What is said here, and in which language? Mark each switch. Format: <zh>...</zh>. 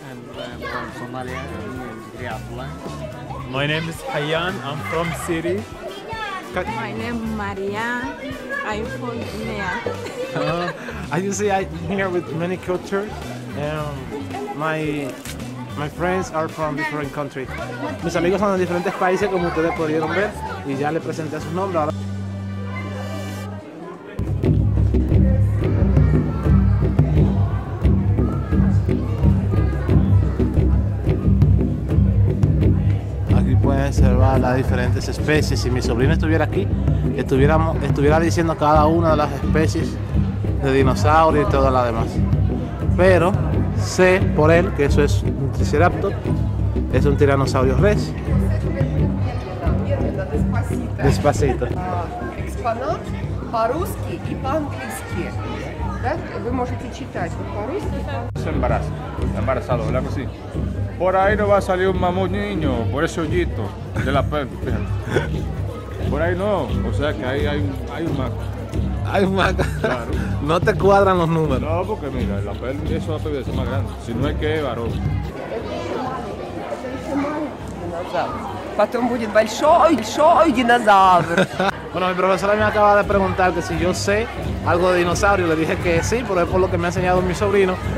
<en>I'm from Somalia. My name is Hayan. I'm from Syria. My name is Maria. I'm from India. As you see, I'm here with many cultures. My friends are from different countries.</en> <es>Mis amigos son de diferentes países, como ustedes pudieron ver, y ya le presenté sus nombres. Observar las diferentes especies. Si mi sobrino estuviera aquí, estuviera diciendo cada una de las especies de dinosaurio y todas las demás. Pero sé por él que eso es un triceraptor, es un tiranosaurio rex. Despacito.</es> <ru>Экспонат по-русски и по-английски. Вы можете читать по-русски.</ru> <es>Embarazado, ¿verdad que sí? Por ahí no va a salir un mamut niño, por ese hoyito de la perna, fíjate. Por ahí no, o sea que ahí hay un maco. Hay un maco. Claro. No te cuadran los números. No, porque mira, la perna eso va a ser más grande. Si no es que es varón.</es> <ru>Потом будет большой динозавр.</ru> <es>Bueno, mi profesora me acaba de preguntar que si yo sé algo de dinosaurio. Le dije que sí, pero es por lo que me ha enseñado mi sobrino.</es>